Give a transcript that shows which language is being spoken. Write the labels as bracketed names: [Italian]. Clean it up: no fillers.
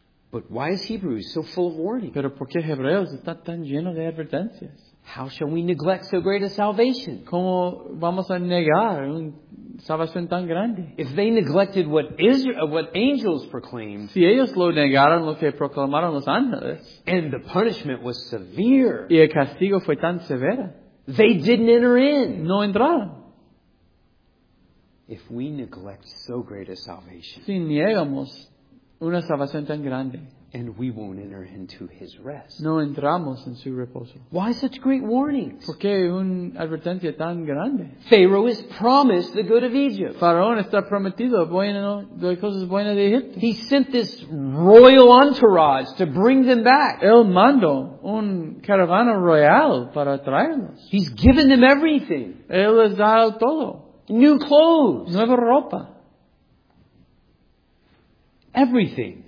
[English] But why is Hebrews so full of warning? [Spanish] Pero ¿por qué Hebreos está tan lleno de advertencias? [English] How shall we neglect so great a salvation? [Spanish] ¿Cómo vamos a negar una salvación tan grande? [English] If they neglected what angels proclaimed, [Spanish] si ellos lo negaron lo que proclamaron los ángeles, [English] and the punishment was severe, [Spanish] y el castigo fue tan severo, [English] they didn't enter in. [Spanish] No entraron. [English] If we neglect so great a salvation, [Spanish] si negamos una salvación tan grande, [English] and we won't enter into his rest. [Spanish] No entramos en su reposo. [English] Why such great warnings? [Spanish] ¿Por qué una advertencia tan grande? [English] Pharaoh is promised the good of Egypt. [Spanish] Faraón está prometido las cosas buenas de Egipto. [English] He sent this royal entourage to bring them back. [Spanish] Él mandó un caravana real para traerlos. [English] He's given them everything. [Spanish] Él les da todo. [English] New clothes. [Spanish] Nueva ropa. [English] Everything.